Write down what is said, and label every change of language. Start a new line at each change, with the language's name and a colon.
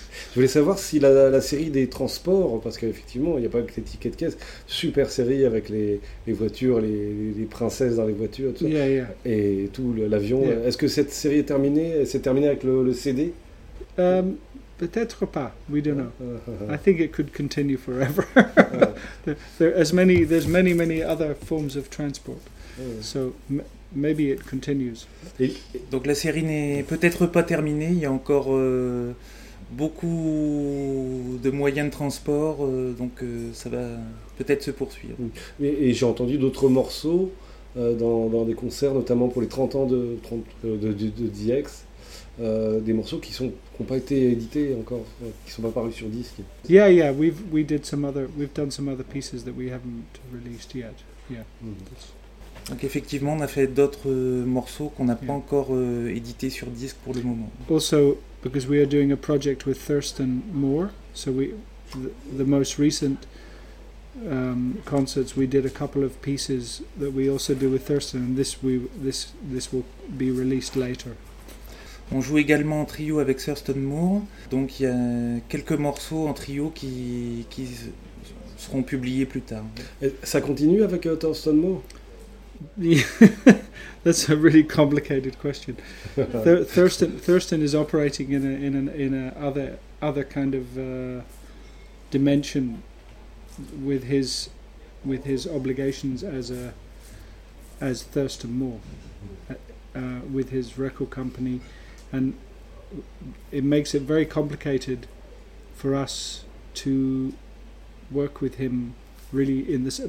French: Je voulais savoir si la série des transports, parce qu'effectivement, il n'y a pas que les tickets de caisse, super série avec les voitures, les princesses dans les voitures, tout ça, et tout l'avion. Yeah. Est-ce que cette série est terminée? Elle s'est terminée avec le CD? Peut-être pas.
English: We don't know. I think it could continue forever. there's many, many other forms of transport. Maybe it continues.
French: Donc la série n'est peut-être pas terminée, il y a encore beaucoup de moyens de transport, donc ça va peut-être se poursuivre. Et j'ai entendu d'autres morceaux dans des concerts, notamment pour les 30 ans de DX, des morceaux qui sont n'ont pas été édités encore, qui sont pas parus sur disque.
English: Yeah, we've done some other pieces that we haven't released yet.
French: Donc effectivement, on a fait d'autres morceaux qu'on n'a pas encore édités sur disque pour le moment.
English: Also, because we are doing a project with Thurston Moore, so the most recent concerts, we did a couple of pieces that we also do with Thurston, and this will be released later.
French: On joue également en trio avec Thurston Moore, donc il y a quelques morceaux en trio qui seront publiés plus tard. Et ça continue avec Thurston Moore?
English: That's a really complicated question. Thurston is operating in a other kind of dimension with his obligations as Thurston Moore with his record company, and it makes it very complicated for us to work with him really in this.